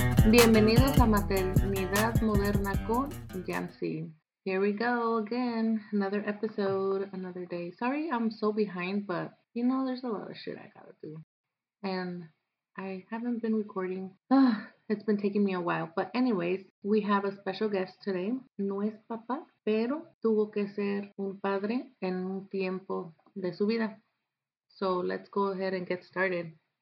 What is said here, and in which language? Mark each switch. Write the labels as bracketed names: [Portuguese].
[Spanish] Bienvenidos a Maternidad Moderna con Yanzy. [English] Here we go again. Another episode, another day. Sorry I'm so behind, but you know, there's a lot of shit I gotta do. And I haven't been recording. It's been taking me a while. But anyways, we have a special guest today. [Spanish] No es papá, pero tuvo que ser un padre en un tiempo de su vida. [English] So let's go ahead and get started.